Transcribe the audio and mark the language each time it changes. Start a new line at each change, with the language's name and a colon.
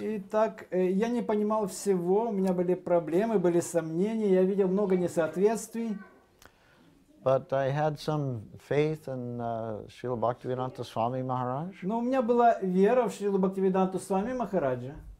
Russian: И так я не понимал всего, у меня были проблемы, были сомнения, я видел много несоответствий.
English: But I had some faith in Srila Bhaktivedanta Swami Maharaj.
Russian: Но у меня была вера в Шрилу Бхактивиданту Свами Махараджа.